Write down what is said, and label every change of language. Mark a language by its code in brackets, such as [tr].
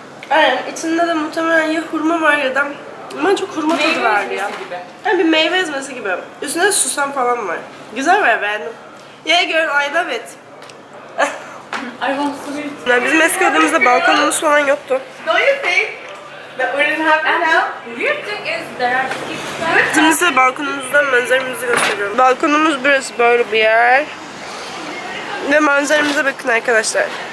[tr] Yani içinde de muhtemelen ya hurma var ya da... Ben çok hurma meyve tadı var ya. Meyve ezmesi gibi. Yani bir meyve ezmesi gibi. Üstünde de susam falan var. Güzel var ya, beğendim. [en] Yeah girl, I love it. I want to eat. [tr] Bizim eski odamızda balkonumuz falan yoktu. [en] Don't you think that wouldn't happen now? [tr] Şimdi size balkonumuzdan manzaramızı gösteriyorum. Balkonumuz burası, böyle bir yer. Ve manzaramıza bakın arkadaşlar.